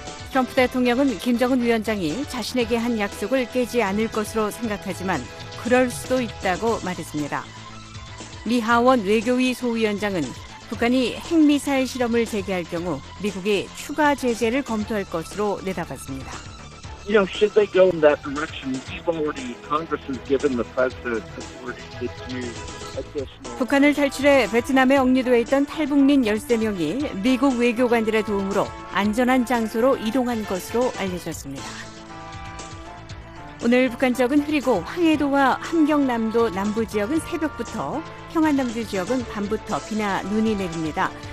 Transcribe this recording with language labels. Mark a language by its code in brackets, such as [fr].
[ko] 트럼프 대통령은 김정은 위원장이 자신에게 한 약속을 깨지 않을 것으로 생각하지만 그럴 수도 있다고 말했습니다. 미 하원 외교위 소위원장은 북한이 핵미사일 실험을 재개할 경우 미국의 추가 제재를 검토할 것으로 내다봤습니다. [en] You know, should they go in that direction, we've already, Congress has given the president the authority to do additional. [ko] 북한을 탈출해 베트남에 억류돼 있던 탈북민 13명이 미국 외교관들의 도움으로 안전한 장소로 이동한 것으로 알려졌습니다. 오늘 북한 지역은 흐리고 황해도와 함경남도 남부 지역은 새벽부터, 평안남도 지역은 밤부터 비나 눈이 내립니다.